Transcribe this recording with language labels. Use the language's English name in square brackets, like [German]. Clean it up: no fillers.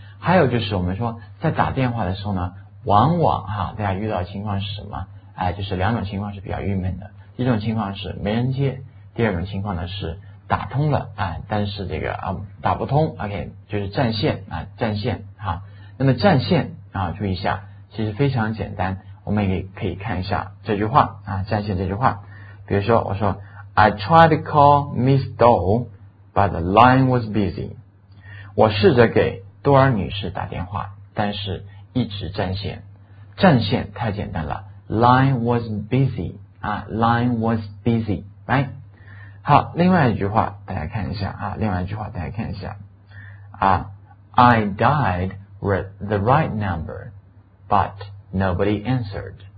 [Chinese] 还有就是我们说在打电话的时候呢，往往哈，大家遇到的情况是什么，哎，就是两种情况是比较郁闷的，一种情况是没人接，第二种情况呢是打通了，哎，但是这个啊打不通 ，OK， 就是占线啊，占线哈。那么占线啊，注意一下，其实非常简单，我们也可以看一下这句话啊，占线这句话。 [English] 比如说，我说 I tried to call Miss Doe， but the line was busy。 [Chinese] 我试着给多尔女士打电话，但是一直占线。占线太简单了 ， line was busy 啊 ， line was busy， right？好，另外一句话大家看一下啊，另外一句话大家看一下啊， I dialed the right number but nobody answered。